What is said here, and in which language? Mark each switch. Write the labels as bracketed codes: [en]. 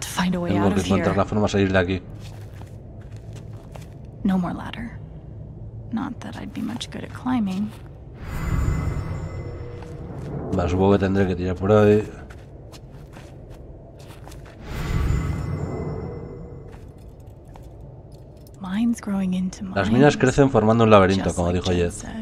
[es] Tengo que encontrar la forma de salir de aquí. [en] No more ladder. Not that I'd be much good at climbing. [es] Vale, supongo que tendré que tirar por ahí. [en] Mines growing into mines. [es] Las minas crecen formando un laberinto, como dijo Jed.